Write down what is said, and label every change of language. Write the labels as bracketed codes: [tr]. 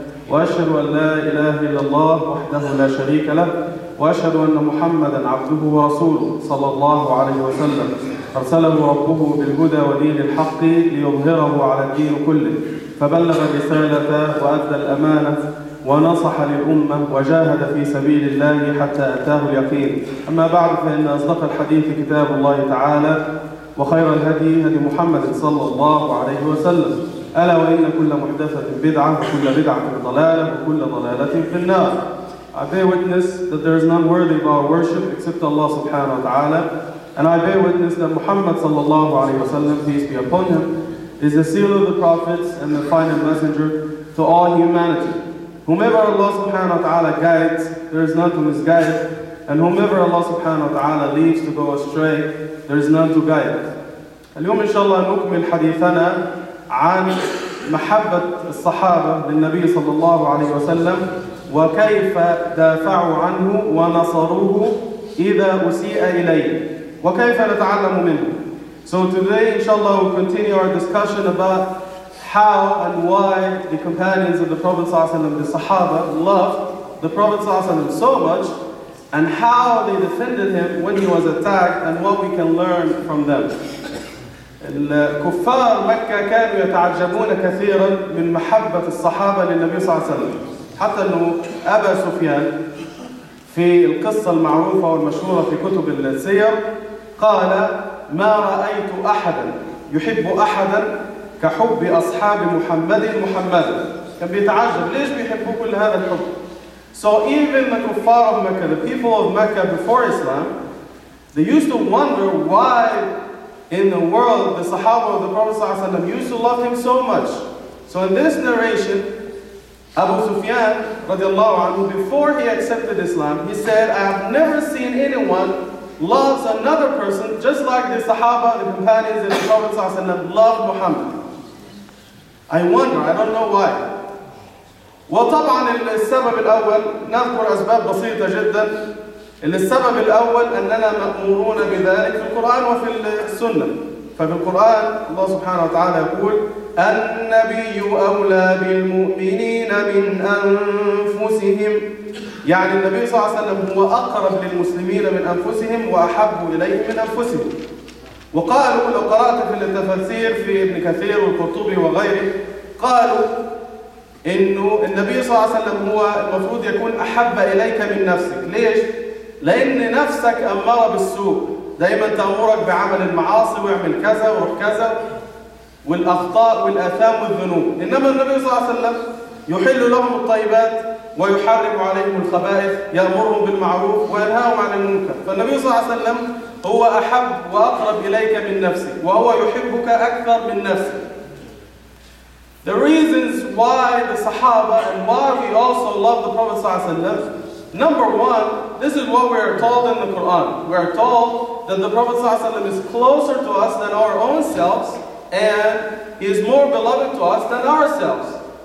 [ar] وأشهد أن لا إله إلا الله وحده لا شريك له، وأشهد أن محمدًا عبده ورسوله صلى الله عليه وسلم أرسله ربه بالهدى ودين الحق ليظهره على الدين كله، فبلغ الرسالة وأدى الأمانة ونصح للأمة وجاهد في سبيل الله حتى أتاه اليقين. أما بعد، فإن أصدق الحديث كتاب الله تعالى، وخير الهدي هدي محمد صلى الله عليه وسلم، ألا وإن كل محدثة بدعة وكل بدعة ضلالة وكل ضلالة في النار. [en] I bear witness that there is none worthy of our worship except Allah subhanahu wa ta'ala, and I bear witness that Muhammad sallallahu alayhi wa sallam, peace be upon him, is the seal of the prophets and the final messenger to all humanity. Whomever Allah subhanahu wa ta'ala guides, there is none to misguide, and whomever Allah subhanahu wa ta'ala leaves to go astray, there is none to guide. [ar] اليوم إن شاء الله نكمل حديثنا عن محبة الصحابة للنبي صلى الله عليه وسلم وكيف دافعوا عنه ونصروه إذا أسيء إليه وكيف نتعلم منه. [en] So today, inshallah, we'll continue our discussion about how and why the companions of the Prophet [ar] صلى الله عليه وسلم, [en] the Sahaba, loved the Prophet صلى الله عليه وسلم so much, and how they defended him when he was attacked, and what we can learn from them. [ar] الكفار مكة كانوا يتعجبون كثيرا من محبة الصحابة للنبي صلى الله عليه وسلم. حتى أنه أبا سفيان في القصة المعروفة والمشهورة في كتب السير قال: ما رأيت أحداً يحب أحداً كحب أصحاب محمد محمد. كان بيتعجب ليش بيحبوا كل هذا الحب. [en] So even the kuffar of Mecca, the people of Mecca before Islam, they used to wonder why in the world the Sahaba of the Prophet ﷺ used to love him so much. So in this narration, Abu Sufyan radiallahu anhu, before he accepted Islam, he said, I have never seen anyone loves another person just like the Sahaba, the companions of the Prophet ﷺ loved Muhammad. I wonder, I don't know why. [ar] وطبعاً السبب الأول نذكر أسباب بسيطة جداً. السبب الأول أننا مأمورون بذلك في القرآن وفي السنة. ففي القرآن الله سبحانه وتعالى يقول: النبي أولى بالمؤمنين من أنفسهم. يعني النبي صلى الله عليه وسلم هو أقرب للمسلمين من أنفسهم وأحب إليهم من أنفسهم. وقالوا لو قرأت في التفسير في ابن كثير والقرطبي وغيره قالوا إنه النبي صلى الله عليه وسلم هو المفروض يكون أحب إليك من نفسك. ليش؟ لأن نفسك أمارة بالسوء، دائما تأمرك بعمل المعاصي واعمل كذا وروح كذا والأخطاء والآثام والذنوب، إنما النبي صلى الله عليه وسلم يحل لهم الطيبات ويحرم عليهم الخبائث، يأمرهم بالمعروف وينهاهم عن المنكر. فالنبي صلى الله عليه وسلم هو أحب وأقرب إليك من نفسك، وهو يحبك أكثر من نفسك. [en] The reasons why the Sahaba and why we also love the Prophet [ar] صلى الله عليه وسلم. [en] Number one, this is what we are told in the Quran. We are told that the Prophet [ar] صلى الله عليه وسلم [en] is closer to us than our own selves, and he is more beloved to us than ourselves.